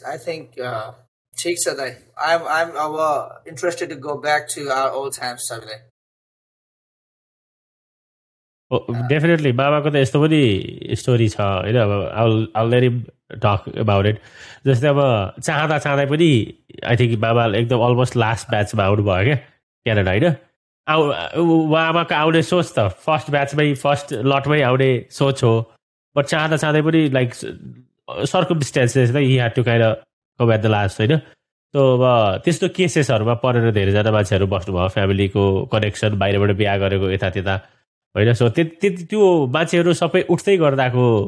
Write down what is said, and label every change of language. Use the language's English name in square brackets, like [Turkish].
[English] I think [Nepali] ठीक छ दाइ. [English] I'm अब interested to go back to our old times someday. Definitely. [Nepali] बाबाको त यस्तो पनि स्टोरी छ होइन अब [English] I'll let him talk about it. [Nepali] जस्तै अब चाहँदा चाहँदै पनि [English] I think [Nepali] बाबा एकदम अलमोस्ट लास्ट ब्याचमा आउनुभयो क्या क्यानाडा होइन बाबाको आउने सोच त फर्स्ट ब्याचमै फर्स्ट लटमै आउने सोच हो बट चाहँदा चाहँदै पनि [English] like circumstances यी had to kind come at the last [Nepali] होइन त अब त्यस्तो केसेसहरूमा परेर धेरैजना मान्छेहरू बस्नुभयो फ्यामिलीको कनेक्सन बाहिरबाट बिहा गरेको यता त्यता होइन सो त्यो मान्छेहरू सबै उठ्दै गर्दाको